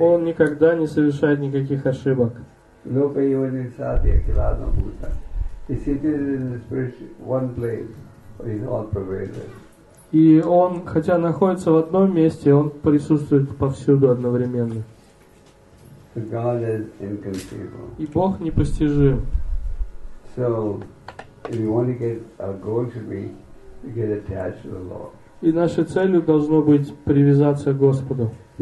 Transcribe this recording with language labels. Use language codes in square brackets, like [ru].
[ru] Он никогда не совершает никаких ошибок. И он, хотя находится в одном месте, он присутствует повсюду одновременно. [en] So God is inconceivable. [ru] И Бог непостижим. [en] So, if you want to get our goal should be to get attached to the Lord. [ru] И нашей целью должно быть привязаться к Господу.